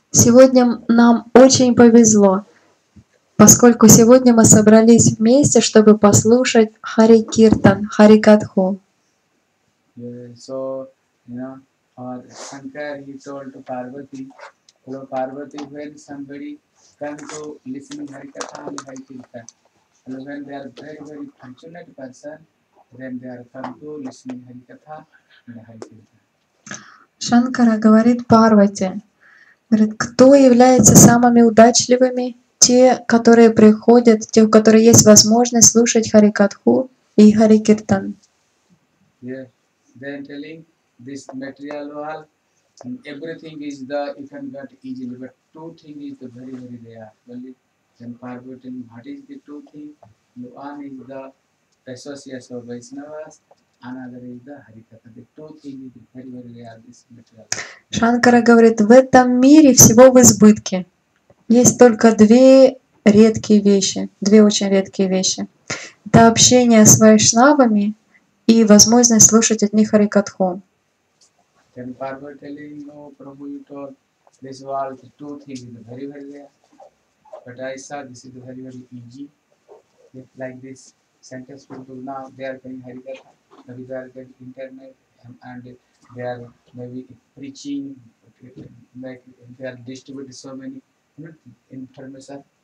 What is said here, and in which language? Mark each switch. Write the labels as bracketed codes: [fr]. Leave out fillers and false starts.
[ru] Сегодня нам очень повезло, поскольку сегодня мы собрались вместе, чтобы послушать Харикиртан, Харикатху. [en] So, you know, Shankar, he told to Parvati, hello Parvati, when somebody comes to listening Harikatha and Harikatha. And when they are very, very fortunate person, then they are come to listening Harikatha and Harikirtan. [ru] Шанкара говорит Парвати, говорит, кто является самыми удачливыми, те, которые приходят, те, у которых есть возможность слушать Харикатху и Харикиртан. [en] Yeah, they are telling this material world, and everything is the, you can get easily, but two things is the very, very rare. Then Parvati, what is the two things? One is the association of Vaishnavas, another is the Harikatha. The two things are very, very rare, this material. [ru] Шанкара говорит, в этом мире всего в избытке. Есть только две редкие вещи, две очень редкие вещи. Это общение с Вайшнавами и возможность слушать от них Харикатху. [en] Then Parvati telling, no, Prabhu, you told this world, the two things are very, very rare. But I saw this is very, very easy. If like this sentence will do now, they are going Harikatha, maybe they are going internet, and they are maybe preaching, like they are distributing so many information.